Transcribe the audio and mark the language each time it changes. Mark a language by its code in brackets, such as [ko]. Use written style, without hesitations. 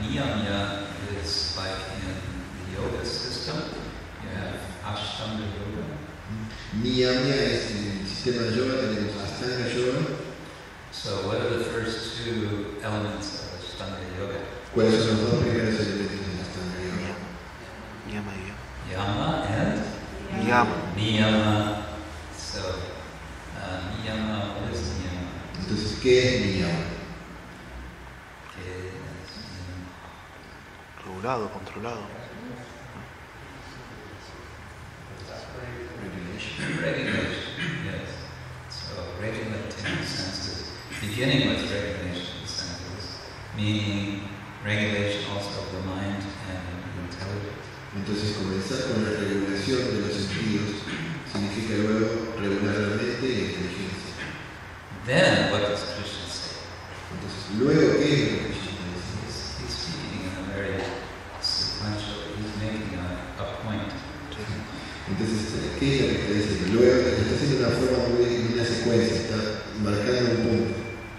[en] Niyamya is like in the yoga system. You have Ashtanga yoga. [es] Niyamya es en el sistema de yoga, tenemos Ashtanga yoga. [en] So what are the first two elements of Ashtanga yoga? [es] ¿Cuáles son los dos primeros elementos de Ashtanga yoga? [sa] Niyama. [en] Yama and [sa] Niyama. Niyama. [en] So, Niyama, what is Niyama? [es] Entonces, ¿qué es Niyama? ¿Qué es Niyama? Regulado, controlado. [en] Regulation, yes. So, regulating the senses. Beginning with regulation of the senses, meaning regulation also of the mind and intelligence. [es] Entonces, comenzar con la regulación de los sentidos significa luego regular la mente y la inteligencia. [en] Then, what does Krishna say? [es] Entonces, luego, ¿qué es lo que Krishna dice? [en] He's speaking in a very sequential way. He's making a point. [es] Entonces, ¿qué es lo que está diciendo? Luego, está haciendo una forma muy en una secuencia, está marcando un punto.